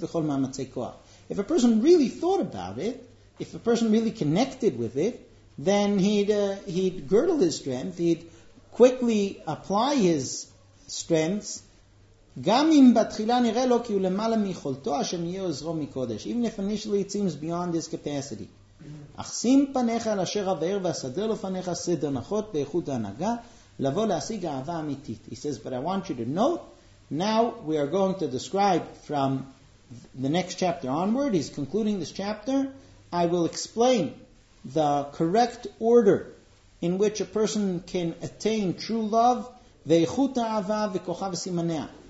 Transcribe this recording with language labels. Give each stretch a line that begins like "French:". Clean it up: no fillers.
English: If a person really thought about it, if a person really connected with it, then he'd girdle his strength, he'd quickly apply his strengths. Even if initially it seems beyond his capacity.
Hebrew: אך שים פניך על אשר אבהר ואסדר לפניך סדר נחות באיכות ההנהגה לבוא להשיג אהבה אמיתית.
English: He says, but I want you to know, now we are going to describe from the next chapter onward, he's concluding this chapter, I will explain the correct order in which a person can attain true love,
Hebrew: ואיכות האהבה וכוחה וסימניה.